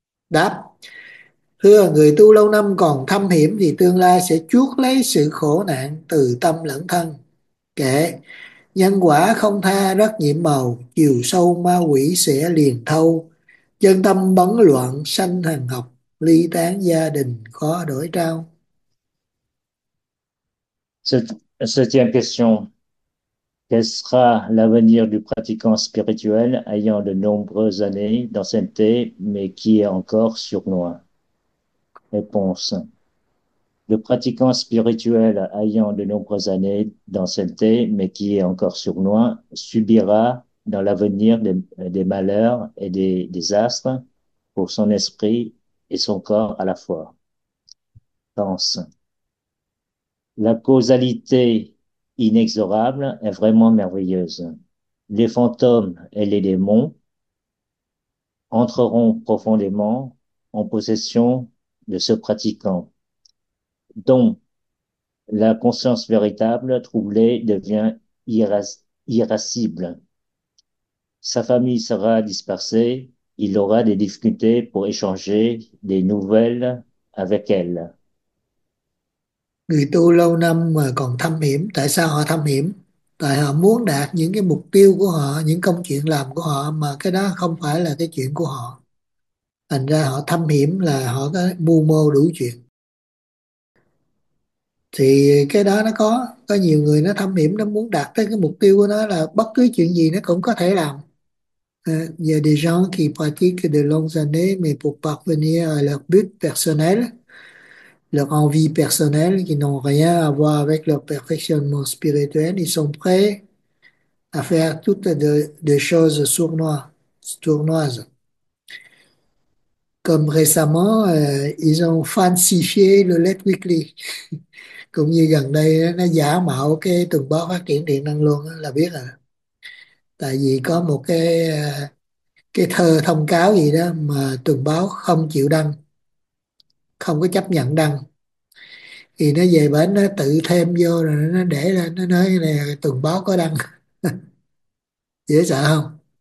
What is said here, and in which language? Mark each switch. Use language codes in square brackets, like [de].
[vi] Đáp: thưa, người tu lâu năm còn thâm hiểm thì tương lai sẽ chuốc lấy sự khổ nạn từ tâm lẫn thân. Kệ: nhân quả không tha rất nhiệm màu, chiều sâu ma quỷ sẽ liền thâu. Chân tâm bấn loạn sanh hằng học, ly tán gia đình khó đổi trao. [fr] Septième question. Quel sera l'avenir du pratiquant spirituel ayant de nombreuses années d'ancienneté, mais qui est encore sournois? Réponse. Le pratiquant spirituel ayant de nombreuses années d'ancienneté, mais qui est encore sournois, subira dans l'avenir des malheurs et des désastres pour son esprit et son corps à la fois. Pense. La causalité inexorable est vraiment merveilleuse. Les fantômes et les démons entreront profondément en possession de ce pratiquant, dont la conscience véritable troublée devient irascible. Sa famille sera dispersée, il aura des difficultés pour échanger des nouvelles avec elle. [vi] Người tu lâu năm mà còn thâm hiểm, tại sao họ thâm hiểm? Tại họ muốn đạt những cái mục tiêu của họ, những công chuyện làm của họ mà cái đó không phải là cái chuyện của họ. Thành ra họ thâm hiểm là họ có mưu mô đủ chuyện. Thì cái đó nó có nhiều người nó thâm hiểm, nó muốn đạt tới cái mục tiêu của nó là bất cứ chuyện gì nó cũng có thể làm. [fr] Il y a des gens qui pratiquent de longues années, mais pour parvenir à leur but personnel, leur envie personnelle, qui n'ont rien à voir avec leur perfectionnement spirituel, ils sont prêts à faire toutes des choses sournoises. Comme récemment, ils ont falsifié le Let Weekly. [vi] Cũng như gần đây, nó giả mạo cái tuần báo phát triển điện năng luôn, là biết rồi. Tại vì có một cái thơ thông cáo gì đó mà tuần báo không chịu đăng, không có chấp nhận đăng. Thì nó về bển nó tự thêm vô rồi nó để lên, nó nói nè tuần báo có đăng. Dễ sợ không?